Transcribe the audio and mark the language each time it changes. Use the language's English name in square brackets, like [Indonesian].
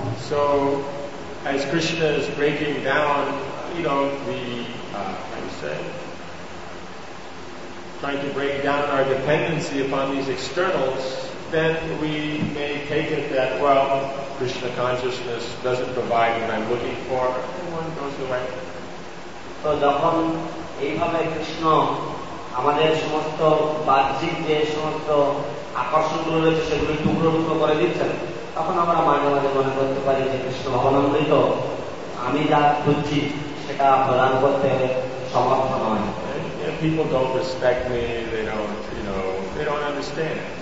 [English] So as Krishna is breaking down, you know, the how you say, trying to break down our dependency upon these externals, then we may take it that, well, Krishna consciousness doesn't provide what I'm looking for. Everyone goes away. [Bangla] So যখন এইভাবে কৃষ্ণ আমাদের সমস্ত বাহ্যিক যে সমস্ত আকর্ষণগুলো রয়েছে সেগুলি টুকরো টুকরো করে দিচ্ছেন তখন আমরা মাঝে মাঝে মনে করতে পারি যে কৃষ্ণ অবলম্বিত আমি যা খুঁজছি সেটা প্রদান করতে সমর্থ নয়। [English] People don't respect me, they don't understand.